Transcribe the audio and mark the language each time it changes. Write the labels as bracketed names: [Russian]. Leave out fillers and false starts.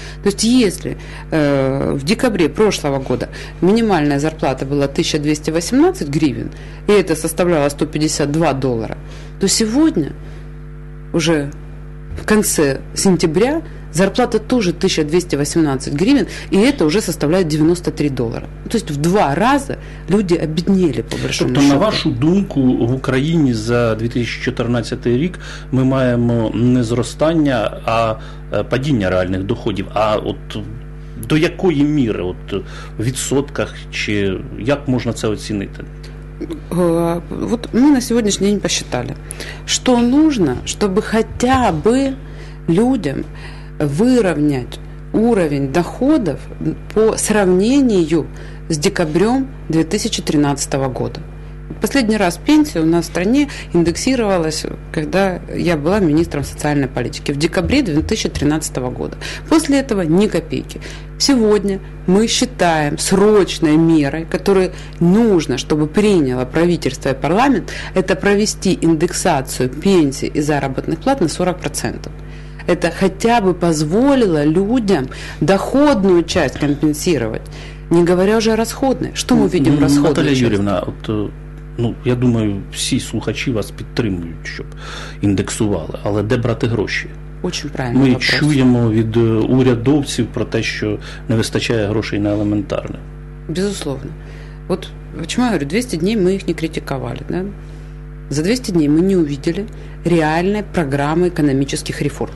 [Russian] То есть если в декабре прошлого года минимальная зарплата была 1218 гривен, и это составляло $152, то сегодня, уже в конце сентября, зарплата тоже 1218 гривен, и это уже составляет $93. То есть в два раза люди обеднели, по большому счету. [Ukrainian] На вашу думку, в Україні за 2014 рік ми маємо не зростання, а падіння реальних доходів. А от до якої міри, от в відсотках, чи як можна це оцінити? [Russian] Вот мы на сегодняшний день посчитали, что нужно, чтобы хотя бы людям выровнять уровень доходов по сравнению с декабрем 2013 года. Последний раз пенсия у нас в стране индексировалась, когда я была министром социальной политики, в декабре 2013 года. После этого ни копейки. Сегодня мы считаем срочной мерой, которую нужно, чтобы приняло правительство и парламент, это провести индексацию пенсий и заработных плат на 40%. Это хотя бы позволило людям доходную часть компенсировать, не говоря уже о расходной. Что мы видим в расходной части? Наталья Юрьевна, вот... [Ukrainian] Ну, я думаю, всі слухачі вас підтримують, щоб індексували. Але де брати гроші? [Russian] Очень правильно. [Ukrainian] Ми чуємо від урядовців про те, що не вистачає грошей на елементарне. [Russian] Безусловно. [Ukrainian] От, чому я говорю, 200 днів ми їх не критикували. Да? За 200 днів ми не увидели реальної програми економічних реформ.